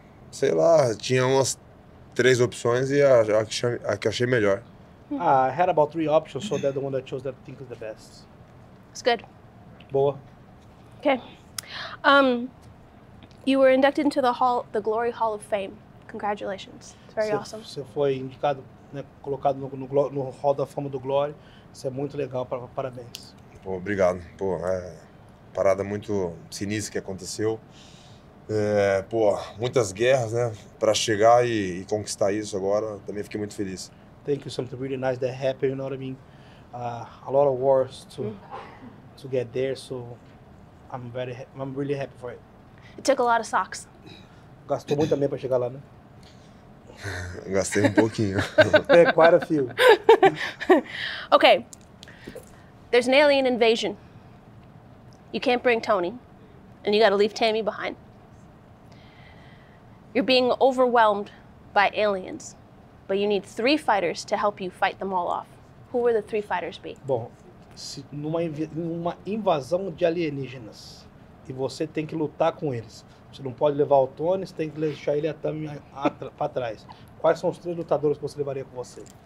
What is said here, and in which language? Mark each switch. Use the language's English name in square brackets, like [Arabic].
[Portuguese] Sei lá, tinha umas três opções e a que achei melhor. [English] I had about three options, so that the one that I chose that I think is the best. It's good. [Portuguese] Boa. [English] Okay. You were inducted into the Glory Hall of Fame. Congratulations. Very awesome. [Portuguese] Você foi indicado, né, colocado no Hall da Fama do Glory. Isso é muito legal, parabéns. Pô, obrigado. Pô, parada muito sinistra que aconteceu. É, pô, muitas guerras, né, para chegar e conquistar isso agora, também fiquei muito feliz. [English] Thank you, something really nice that happened, you know what I mean? A lot of wars to get there, so I'm really happy for it. It took a lot of socks. [Portuguese] Gastou muito também para chegar lá, né? Gastei um pouquinho. [English] Quite a few. Okay. There's an alien invasion. You can't bring Tony, and you gotta leave Tammy behind. You're being overwhelmed by aliens, but you need 3 fighters to help you fight them all off. Who will the 3 fighters be? [Portuguese] Bom, se numa invasão de alienígenas, e você tem que lutar com eles. Você não pode levar o Tony, você tem que deixar ele até para trás. Quais são os 3 lutadores que você levaria com você?